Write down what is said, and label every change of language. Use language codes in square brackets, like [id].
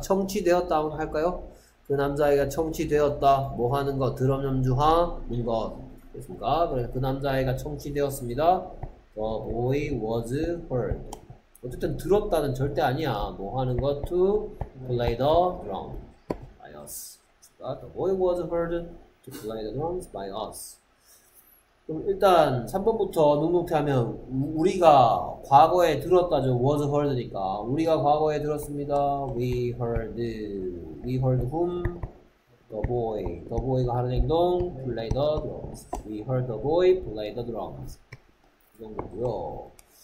[ko] 청취되었다 할까요? 그 남자애가 청취되었다. 뭐 하는 거? 드럼 연주하는 것. 됐습니까? 그래서 그 남자애가 청취되었습니다. [en] The boy was heard. [ko] 어쨌든 들었다는 절대 아니야. 뭐 하는 거? [en] To play the drum by us. The boy was heard to play the drums by us. [ko] 그럼 일단 3번부터 눅눅히 하면 우리가 과거에 들었다죠. was heard니까. 우리가 과거에 들었습니다. [en] We heard. We heard whom? The boy. The boy가 [ko] 하는 행동. [en] Play the drums. We heard the boy play the drums. [ko] 이 정도고요.